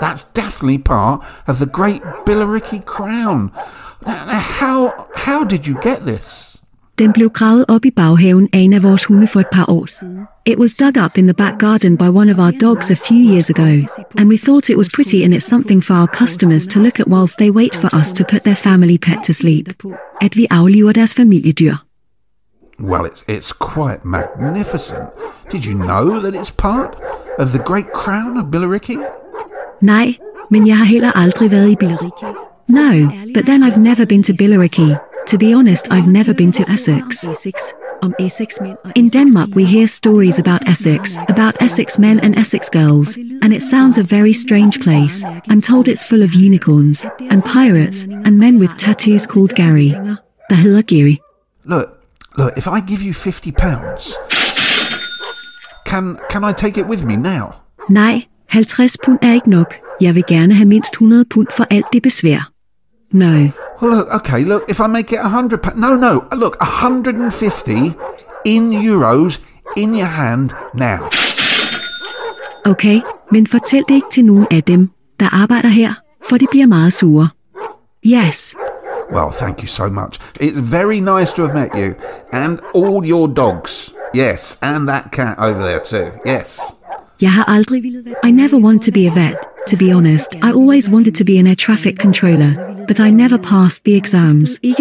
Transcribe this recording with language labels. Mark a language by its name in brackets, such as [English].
[English] That's definitely part of the Great Billericay Crown. How did you get this? [Danish] Den blev gravet op I baghaven af en af vores hunde for et par år siden. [English] It was dug up in the back garden by one of our dogs a few years ago, and we thought it was pretty and it's something for our customers to look at whilst they wait for us to put their family pet to sleep. [Danish] At vi aflever deres familiedyr. [English] Well, it's quite magnificent. Did you know that it's part of the Great Crown of Billericay? [Danish] Nej, men jeg har heller aldrig været I Billericay. [English] No, but then I've never been to Billericay. To be honest, I've never been to Essex. In Denmark, we hear stories about Essex men and Essex girls, and it sounds a very strange place. I'm told it's full of unicorns, and pirates, and men with tattoos called Gary. [Danish] Der hedder Gary. [English] Look, if I give you £50, can I take it with me now? [Danish] Nej, 50 pund ikke nok. Jeg vil gerne have mindst 100 pund for alt det besvær. [English] No. Well, look, if I make it 100 pounds... No, look, 150 in euros in your hand now. [Danish] Okay, men fortæl det ikke til nogen af dem, der arbejder her, for de bliver meget sure. [English] Yes. Well, thank you so much. It's very nice to have met you. And all your dogs. Yes, and that cat over there too. Yes. I never want to be a vet, to be honest. I always wanted to be an air traffic controller, but I never passed the exams.